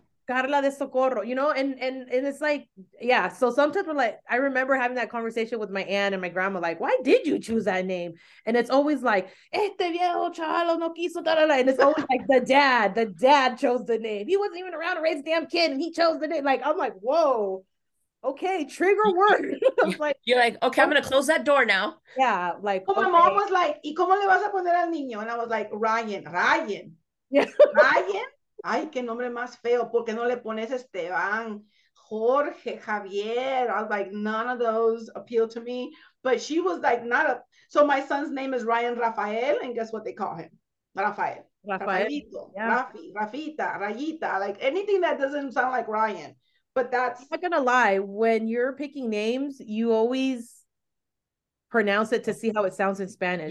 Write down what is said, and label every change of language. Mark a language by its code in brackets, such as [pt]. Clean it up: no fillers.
[en] Carla de Socorro, you know, and it's like, yeah. So sometimes we're like, I remember having that conversation with my aunt and my grandma, like, why did you choose that name? And it's always like, [es] este viejo chalo no quiso, da, da, da. [en] And it's always like the dad chose the name. He wasn't even around to raise a damn kid and he chose the name. Like, I'm like, whoa. Okay, trigger word. Like, you're like, okay, I'm gonna close that door now. Yeah, like, well, my mom was like, [es] ¿y cómo le vas a poner al niño? [en] And I was like, Ryan. Yeah. [es] Ryan? Ay, qué nombre más feo. ¿Por qué no le pones Esteban, Jorge, Javier? [en] I was like, none of those appeal to me. But she was like, not a. So my son's name is Ryan Rafael, and guess what they call him? Rafael. Rafaelito. Yeah. Rafi, Rafita, Rayita, like anything that doesn't sound like Ryan. But that's. I'm not gonna lie. When you're picking names, you always pronounce it to see how it sounds in Spanish.